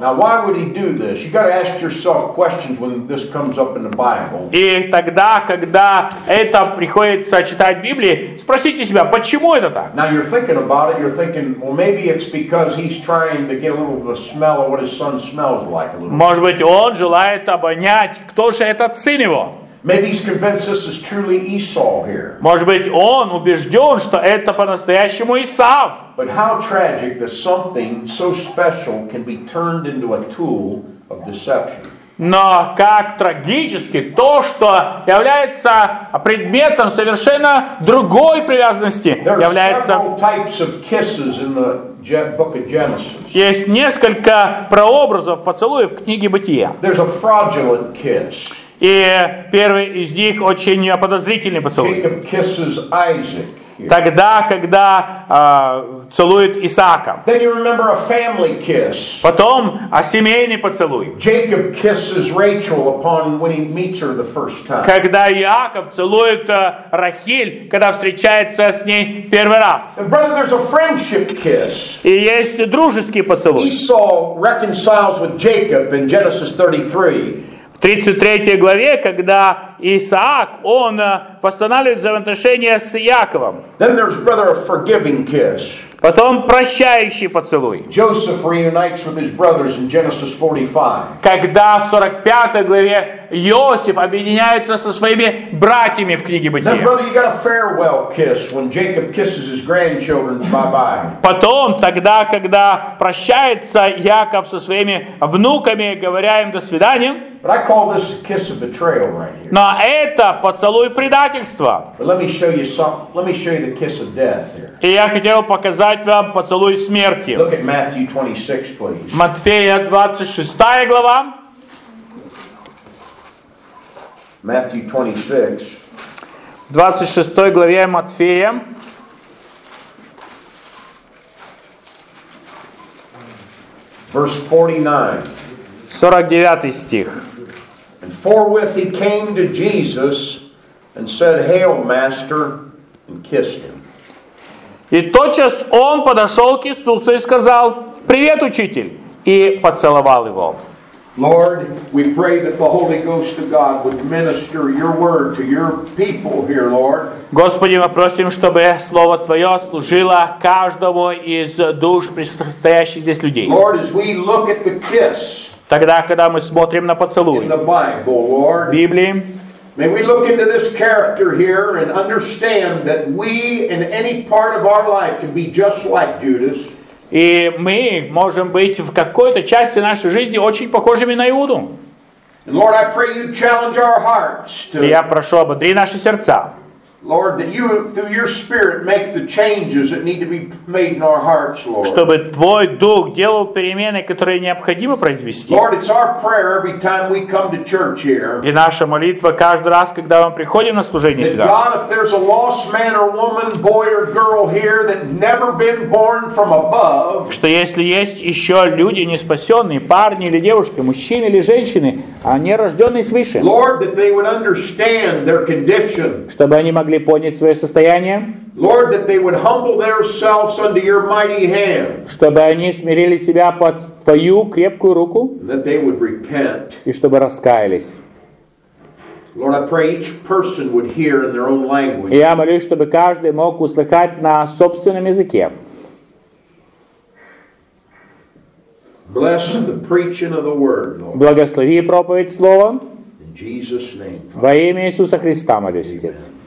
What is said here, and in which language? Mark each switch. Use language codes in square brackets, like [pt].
[en] Now why would he do this? You got to ask yourself questions when this comes up in the Bible. [ru] И тогда, когда это приходится читать в Библии, спросите себя, почему это так? [en] Now you're thinking about it. You're thinking, well, maybe it's because he's trying to get a little of the smell of what his son smells like. [ru] Может быть, он желает обонять, кто же этот сын его? [en] Maybe he's convinced this is truly Esau here. [ru] Может быть, он убежден, что это по-настоящему Исав. [en] But how tragic that something so special can be turned into a tool of deception. [ru] Но как трагически то, что является предметом совершенно другой привязанности, является. [en] There are several types of kisses in the book of Genesis. [ru] Есть несколько прообразов поцелуев в книге Бытия. [en] There's a fraudulent kiss. [ru] И первый из них очень подозрительный поцелуй. [en] Jacob kisses Isaac. [ru] Тогда, когда целует Исаака. [en] Then you remember a family kiss. [ru] Потом семейный поцелуй. [en] Jacob kisses Rachel upon when he meets her the first time. [ru] Когда Иаков целует Рахиль, когда встречается с ней в первый раз. [en] And brother, there's a friendship kiss. [ru] И есть дружеский поцелуй. [en] Esau reconciles with Jacob in Genesis 33. [ru] В 33 главе, когда Исаак, он постанавливает взаимоотношения с Яковом. [en] Then there's brother a forgiving kiss. [ru] Потом прощающий поцелуй. [en] Joseph reunites with his brothers in Genesis 45. [ru] Когда в 45 главе Иосиф объединяется со своими братьями в книге Бытия. [en] Then brother, you got a farewell kiss when Jacob kisses his grandchildren bye-bye. [ru] Потом, тогда, когда прощается Яков со своими внуками, говоря им до свидания. [en] But I call this a kiss of betrayal right here. [ru] Но это поцелуй предательства. [en] But let me show you some, let me show you the kiss of death here. [ru] И я хотел показать вам поцелуй смерти. [en] Look at Matthew 26, please. [ru] Матфея 26 глава. [en] Matthew 26. [ru] 26 главе Матфея. [en] Verse 49. [ru] 49 стих. [en] And forthwith he came to Jesus and said, "Hail, Master," and kissed him. [ru] И тотчас он подошел к Иисусу и сказал: "Привет, учитель!" и поцеловал его. [en] Lord, we pray that the Holy Ghost of God would minister Your word to Your people here, Lord. [ru] Господи, мы просим, чтобы слово Твое служило каждому из душ присутствующих здесь людей. [en] Lord, as we look at the kiss. [ru] Тогда, когда мы смотрим на поцелуй в Библии, [en] may we look into this character here and understand that we in any part of our life can be just like Judas. [ru] И мы можем быть в какой-то части нашей жизни очень похожими на Иуду. [en] And Lord, I pray you challenge our hearts to. [ru] Я прошу, ободри наши сердца. [en] Lord, that you through your spirit make the changes that need to be made in our hearts, Lord. [ru] Чтобы твой дух делал перемены, которые необходимо произвести. [en] Lord, it's our prayer every time we come to church here. [ru] И наша молитва каждый раз, когда мы приходим на служение сюда. [en] God, if there's a lost man or woman, boy or girl here that never been born from above. [ru] Что если есть еще люди неспасенные, парни или девушки, мужчины или женщины, а не рожденные свыше. [en] Lord, that they would understand their condition. [ru] Чтобы они могли понять свое состояние. [en] Lord, that they would humble themselves under your mighty hand. [ru] Чтобы они смирили себя под твою крепкую руку. [en] That they would repent. [ru] И чтобы раскаялись. [en] Lord, I pray each person would hear in their own language. [ru] Я молюсь, чтобы каждый мог услышать на собственном языке. [en] Bless the preaching of the word, Lord. [ru] Благослови проповедь слова. [en] In Jesus' name. [ru] Во имя Иисуса Христа молюсь, Отец.